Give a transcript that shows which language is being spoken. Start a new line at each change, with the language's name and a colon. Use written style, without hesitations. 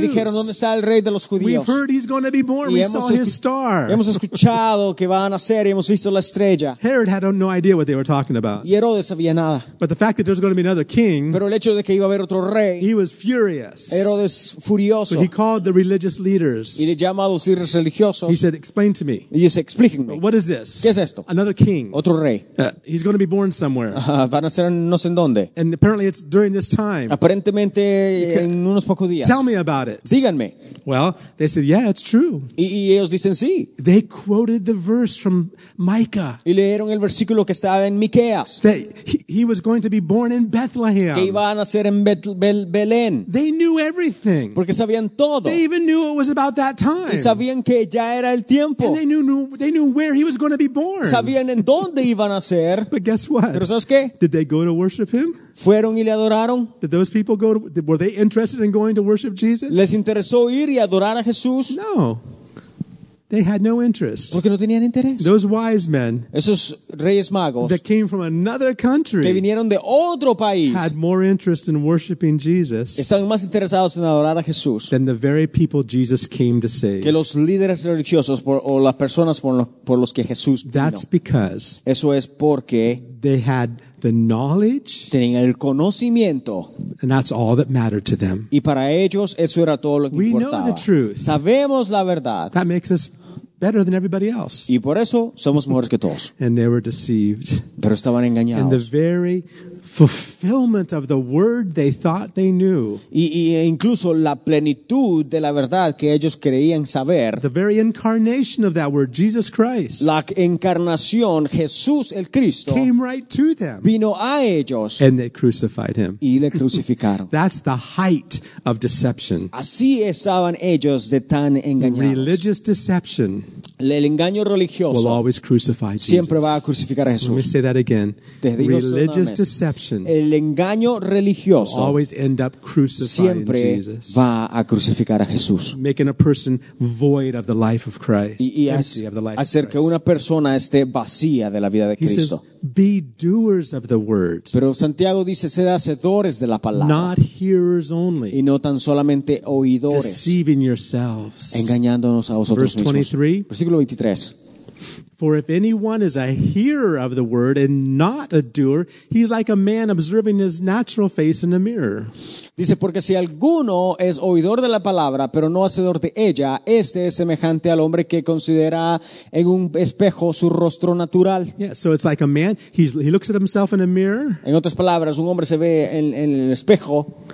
Spanish: Y dijeron, "¿Dónde está el rey de los judíos?"
English: We've heard he's going to be born. We saw his star.
Spanish: Hemos escuchado que va a nacer y hemos visto la estrella.
English: Herod had no idea what they were talking about.
Spanish: Y Herodes sabía nada.
English: But the fact that there's going to be another king.
Spanish: Pero el hecho de que iba a haber otro rey.
English: He was furious.
Spanish: Herodes furioso.
English: So he called the religious leaders.
Spanish: Y le llama a los líderes religiosos.
English: He said, "Explain to me."
Spanish: Y dice, explíquenme.
English: What is this?
Spanish: ¿Qué es esto?
English: Another king.
Spanish: Otro rey.
English: He's going to be born somewhere.
Spanish: Va a nacer no sé en dónde.
English: And apparently it's during this time.
Spanish: Aparentemente en unos pocos días.
English: Tell me about it.
Spanish: Díganme.
English: Well, they said, "Yeah, it's true."
Spanish: Y ellos dicen sí.
English: They quoted the verse from Micah.
Spanish: Y leyeron el versículo que estaba en Miqueas.
English: That he was going to be born in Bethlehem.
Spanish: Que iba a nacer en Belén.
English: They knew everything.
Spanish: Porque sabían todo.
English: They even knew it was about that time.
Spanish: Y sabían que ya era el tiempo.
English: And they knew where he was going to be born.
Spanish: Sabían en dónde iban a ser.
English: But guess what?
Spanish: Pero ¿sabes qué?
English: Did they go to worship him?
Spanish: ¿Fueron y le adoraron?
English: Did those people go to, were they interested in going to worship Jesus?
Spanish: ¿Les interesó ir y adorar a Jesús?
English: No. They had no interest.
Spanish: Porque no tenían interés.
English: Those wise men,
Spanish: esos reyes magos,
English: that came from another country,
Spanish: que vinieron de otro país,
English: had more interest in worshiping Jesus,
Spanish: están más interesados en adorar a Jesús,
English: than the very people Jesus came to save.
Spanish: Que los líderes religiosos por, o las personas por los que Jesús vino.
English: That's because,
Spanish: eso es porque,
English: they had the knowledge,
Spanish: tenían el conocimiento,
English: and that's all that mattered to them.
Spanish: Y para ellos eso era todo lo que
English: we
Spanish: importaba.
English: Know the truth.
Spanish: Sabemos la verdad.
English: That makes us better than everybody else.
Spanish: Y por eso somos mejores que todos.
English: And they were deceived.
Spanish: Pero estaban engañados.
English: And the very fulfillment of the word they thought they knew.
Spanish: Y incluso la plenitud de la verdad que ellos creían saber.
English: The very incarnation of that word, Jesus Christ.
Spanish: La encarnación, Jesús el Cristo.
English: Came right to them.
Spanish: Vino a ellos.
English: And they crucified him.
Spanish: Y le crucificaron.
English: That's the height of deception.
Spanish: Así estaban ellos de tan engañados.
English: Religious deception.
Spanish: El engaño religioso
English: will always crucify Jesus.
Spanish: Siempre va a crucificar a Jesús.
English: Let me say that again. Religious deception.
Spanish: El engaño religioso
English: will always end up crucifying
Spanish: siempre
English: Jesus.
Spanish: Va a crucificar a Jesús.
English: Making a person void of the life of Christ.
Spanish: Y
English: empty of the life hacer of Christ.
Spanish: Que una persona esté vacía de la vida de Cristo.
English: He says, "Be doers of the word."
Spanish: Pero Santiago dice, "Sed hacedores de la palabra."
English: Not hearers only.
Spanish: Y no tan solamente oidores.
English: Deceiving yourselves.
Spanish: Engañándonos a vosotros
English: Verse 23.
Spanish: Mismos. Versículo 23.
English: For if anyone is a hearer of the word and not a doer, he's like a man observing his natural face in a mirror.
Spanish: Dice, porque si alguno es oidor de la palabra, pero no hacedor de ella, este es semejante al hombre que considera en un espejo su rostro natural.
English: Yeah, so it's like a man, he looks at himself in a mirror.
Spanish: En otras palabras, un hombre se ve en el espejo.